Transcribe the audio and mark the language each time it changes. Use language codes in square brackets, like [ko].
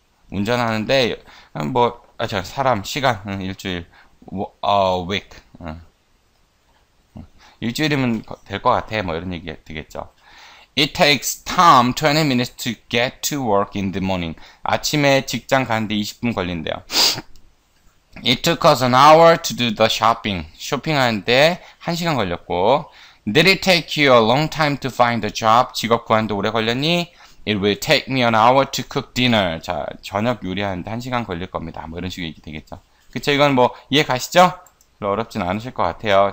[ko] 운전하는데 뭐, 아, 저 사람, 시간, 일주일. [en] A week. [ko] 일주일이면 될 것 같아. 뭐 이런 얘기 되겠죠. [en] It takes Tom 20 minutes to get to work in the morning. [ko] 아침에 직장 가는데 20분 걸린대요. [en] It took us an hour to do the shopping. [ko] 쇼핑하는데 1시간 걸렸고. [en] Did it take you a long time to find a job? [ko] 직업 구하는데 오래 걸렸니? [en] It will take me an hour to cook dinner. [ko] 자, 저녁 요리하는데 1시간 걸릴 겁니다. 뭐 이런 식으로 얘기 되겠죠. 그쵸? 이건 뭐 이해 가시죠? 별로 어렵진 않으실 것 같아요.